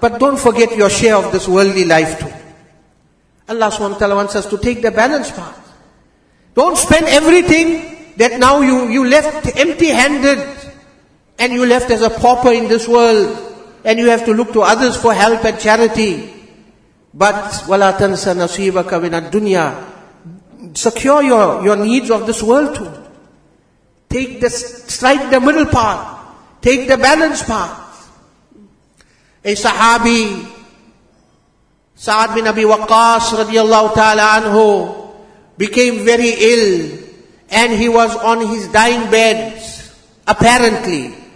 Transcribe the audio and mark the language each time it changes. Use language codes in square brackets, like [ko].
[en] But don't forget your share of this worldly life too. Allah subhanahu wa ta'ala wants us to take the balance part. Don't spend everything that now you left empty-handed and you left as a pauper in this world and you have to look to others for help and charity. But [ar] وَلَا تَنْسَ نَصِيبَكَ مِنَ الدُّنْيَا. [en] Secure your needs of this world too. Strike the middle part. Take the balance part. A sahabi, Sa'ad bin Abi Waqqas radiallahu ta'ala anhu, became very ill and he was on his dying bed, apparently.